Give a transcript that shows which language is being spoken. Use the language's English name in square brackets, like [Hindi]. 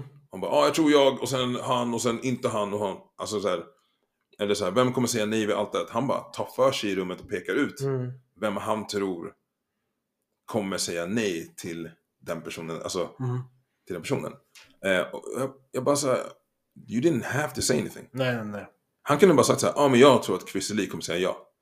[Swedish] Han bara, jag tror jag, och sen han, och sen inte han, och han. Alltså så här, eller så här, vem kommer säga nej vid allt det? Han bara tar för sig i rummet och pekar ut vem han tror kommer säga nej till den personen, alltså till den personen. Jag bara såhär, [English] you didn't have to say anything. [Swedish] Nej. Han kunde bara sagt såhär, men jag tror att Chrissy Lee kommer säga ja.